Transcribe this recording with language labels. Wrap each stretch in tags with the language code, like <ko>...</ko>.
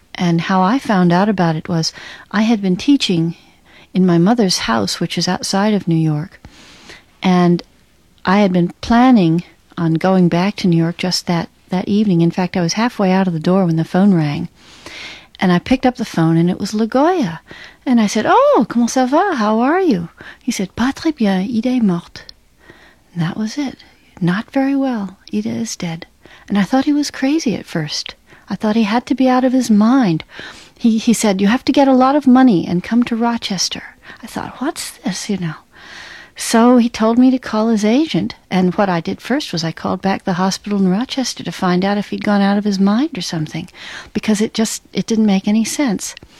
<en>And how I found out about it was I had been teaching in my mother's house, which is outside of New York, and I had been planning on going back to New York just that that evening. In fact, I was halfway out of the door when the phone rang. And I picked up the phone, and it was Lagoya. And I said, oh,</en> <fr>comment ça va?</fr> <en>How are you? He said,</en> <fr>pas très bien, Ida est morte.</fr> <en>And that was it. Not very well. Ida is dead. And I thought he was crazy at first. I thought he had to be out of his mind. He said, you have to get a lot of money and come to Rochester. I thought, what's this, you know? So he told me to call his agent, and what I did first was I called back the hospital in Rochester to find out if he'd gone out of his mind or something, because it didn't make any sense.</en>